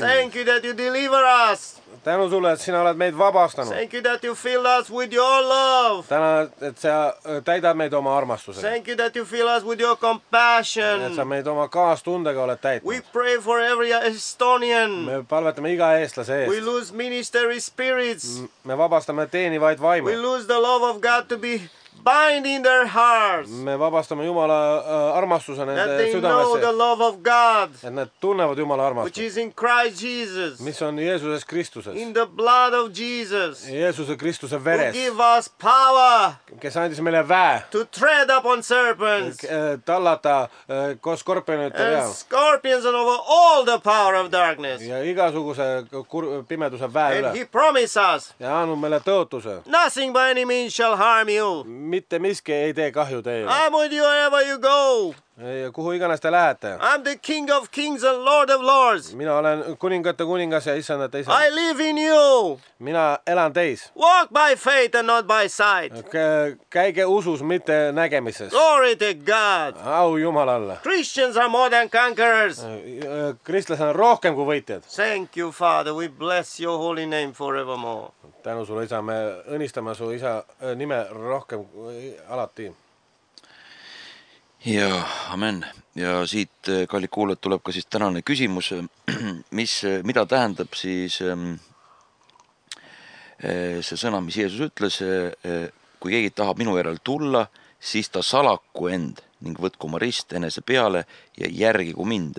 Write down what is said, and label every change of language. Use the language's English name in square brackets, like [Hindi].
[English] Thank you, that you deliver us. [Estonian] Tänu sulle, et sina oled meid vabastanud. [English] Thank you, that you fill us with your love. [Estonian] Tänu, et sa täidad meid oma armastusega. [English] Thank you, that you fill us with your compassion. [Estonian] Et sa meid oma kaastundega oled täitnud. [English] We pray for every Estonian. [Estonian] Me palvetame iga eestlase eest. [English] We lose ministry spirits. [Estonian] Me vabastame teenivaid vaime. [English] We lose the love of God to be bind in their hearts. [Estonian] Me vabastame Jumala armastuse nende südamesse. [English] Know the love of God. [Estonian] Et nad tunnevad Jumala armastust. [English] Which is in Christ Jesus. [Estonian] Mis on Jeesuses Kristuses. [English] In the blood of Jesus. [Estonian] Jeesuse Kristuse veres. [English] Who give us power. [Estonian] Kes andis meile väe. [English] To tread upon serpents. [Estonian] Tallata koos skorpionite peal. [English] And scorpions and over all the power of darkness. [Estonian] Ja igasuguse pimeduse väe üle. [English] And he promised us. [Estonian] Ja annud meile tõotuse. [English] Nothing by any means shall harm you. [Estonian] Mitte miski ei tee kahju teile. [English] I'm with you wherever you go. [Estonian] Ja kuhu iganes te lähete. [English] I'm the king of kings and lord of lords. [Estonian] Mina olen kuningate kuningas ja issandate isa. [English] I live in you. [Estonian] Mina elan teis. [English] Walk by faith and not by sight. [Estonian] Käige usus, mitte nägemises. [English] Glory to God. [Estonian] Au Jumalalle. [English] Christians are more than conquerors. [Estonian] Kristlased on rohkem kui võitjad. [English] Thank you, Father. We bless your holy name forevermore. [Estonian] Tänu sulle isa, me õnnistame su isa nime rohkem alati. Ja, amen. Ja siit, kallid kuulajad, tuleb ka siis tänane küsimus, mida tähendab siis see sõna, mis Jeesus ütles, kui keegi tahab minu järel tulla, siis ta salaku end ning võtku oma rist enese peale ja järgigu mind.